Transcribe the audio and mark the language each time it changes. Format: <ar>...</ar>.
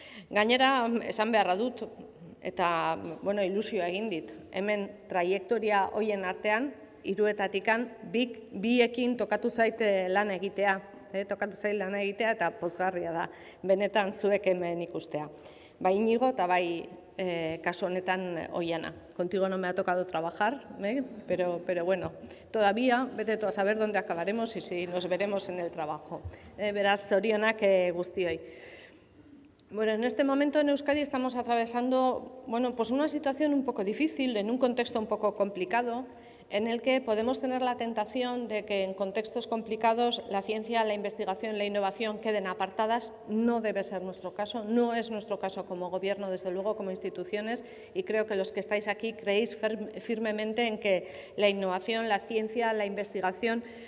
<eu>Gainera, esan beharra dut, eta ilusioa egin dit, hemen trajektoria hoien artean, iruetatikan, biekin tokatu zaite lan egitea. Tokatu zain lan egitea eta pozgarria da, benetan zuek hemen ikustea. Bai Inigo eta bai kasu honetan Oihana.</eu> <es>Contigo no me ha tocado trabajar, pero bueno, todavía vete tú a saber dónde acabaremos y si nos veremos en el trabajo.</es> <eu>Beraz, zorionak guztioi.</eu> <es>Bueno, en este momento en Euskadi estamos atravesando una situación un poco difícil, en un contexto un poco complicado, en el que podemos tener la tentación de que en contextos complicados la ciencia, la investigación, la innovación queden apartadas. No debe ser nuestro caso, no es nuestro caso como gobierno, desde luego, como instituciones, y creo que los que estáis aquí creéis firmemente en que la innovación, la ciencia, la investigación</es>